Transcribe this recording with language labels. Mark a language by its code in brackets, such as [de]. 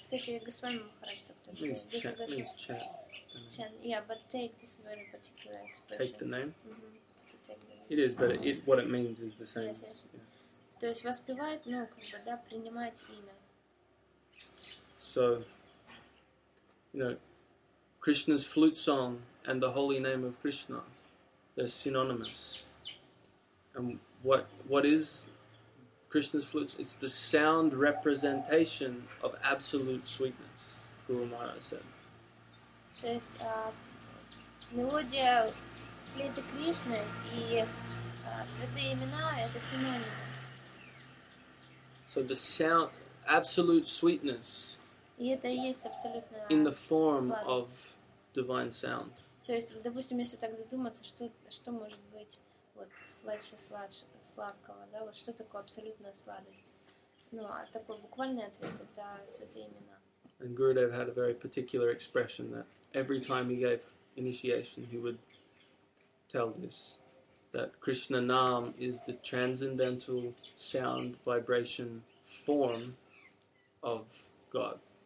[ru] Кстати, Госвами Махарадж так тоже. [en] Means chant. Yeah, but take this is very particular expression. Take the name. Mm-hmm. It is, but it what it means is the same. Yes. [ru] То есть воспевать, ну как бы да, принимать имя. [en] So, you know. Krishna's flute song and the holy name of Krishna, they're synonymous. And what is Krishna's flute? It's the sound representation of absolute sweetness, Guru Maharaj said. [ru] То есть мелодия флейты Кришны и святые имена это синонимы. [en] So the sound absolute sweetness. [ru] И это и есть абсолютная сладость. [en] In the form of divine sound. [ru] То есть, допустим, если так задуматься, что может быть вот сладче сладкого, да? Вот что такое абсолютная сладость? Ну, а такой буквальный ответ это святые имена. [en] And Gurudev had a very particular expression that every time he gave initiation, he would tell this that Krishna Nam is the transcendental sound vibration form of God.